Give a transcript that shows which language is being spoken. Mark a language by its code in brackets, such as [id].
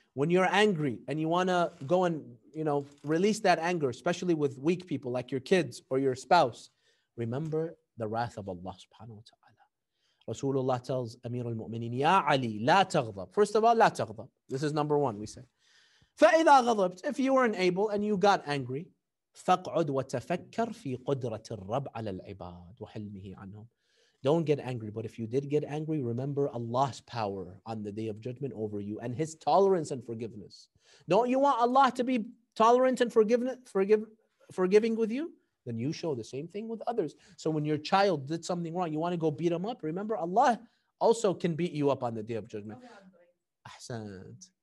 [en] When you're angry and you want to go and, you know, release that anger, especially with weak people like your kids or your spouse, remember the wrath of Allah subhanahu wa ta'ala. Rasulullah tells Amir al-Mu'mineen, [ar] Ya Ali, la taghdab. [en] First of all, [ar] la taghdab. [en] This is number one, we say. [ar] فَإِذَا غَضَبْتْ, [en] if you weren't able and you got angry, [ar] فَقْعُدْ وَتَفَكَّرْ فِي قُدْرَةِ الرَّبْعَ عَلَى الْعِبَادِ وَحِلْمِهِ عَنْهُمْ. [en] Don't get angry, but if you did get angry, remember Allah's power on the Day of Judgment over you and His tolerance and forgiveness. Don't you want Allah to be tolerant and forgiving with you? Then you show the same thing with others. So when your child did something wrong, you want to go beat him up, remember Allah also can beat you up on the Day of Judgment. Ahsant.